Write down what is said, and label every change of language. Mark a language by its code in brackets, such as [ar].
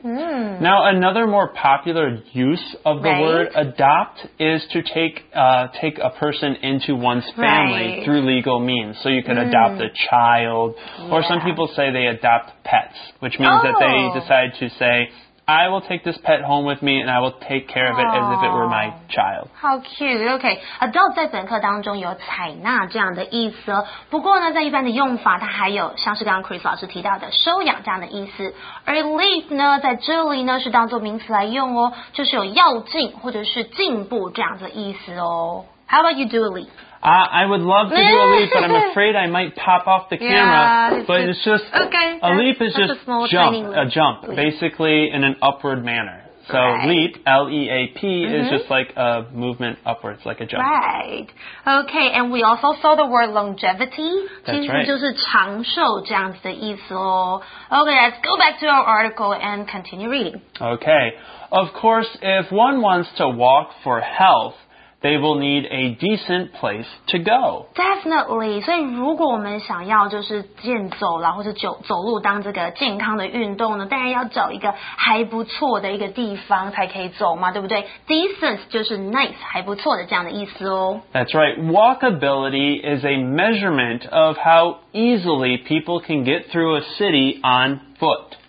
[en] Now another more popular use of the word adopt is to take a person into one's family through legal means. So you could adopt a child, or some people say they adopt pets, which means that they decide to say,I will take this pet home with me and I will take care of it as if it were my child. How cute. [zh] Okay. Adopt 在本课当中有采纳这样的意思。不过呢在一般的用法它还有像是刚刚 Chris 老师提到的收养这样的意思。而 leave 呢在这里呢是当作名词来用哦。就是有要进或者是进步这样的意思哦。 [en] How about you do a leave? I would love to do a leap, but I'm afraid I might pop off the camera. But it's just, okay, a leap is just a jump, basically in an upward manner. So leap, L-E-A-P, is just like a movement upwards, like a jump. Right. Okay, and we also saw the word longevity. That's right. [zh] 就是长寿这样子的意思哦。 [en] Okay, let's go back to our article and continue reading. Okay. Of course, if one wants to walk for health,they will need a decent place to go. Definitely. [zh] 所以如果我们想要就是健走啦或者走路当这个健康的运动呢当然要找一个还不错的一个地方才可以走嘛对不对 Decent 就是 nice, 还不错的这样的意思哦。 [en] That's right. Walkability is a measurement of how easily people can get through a city on foot.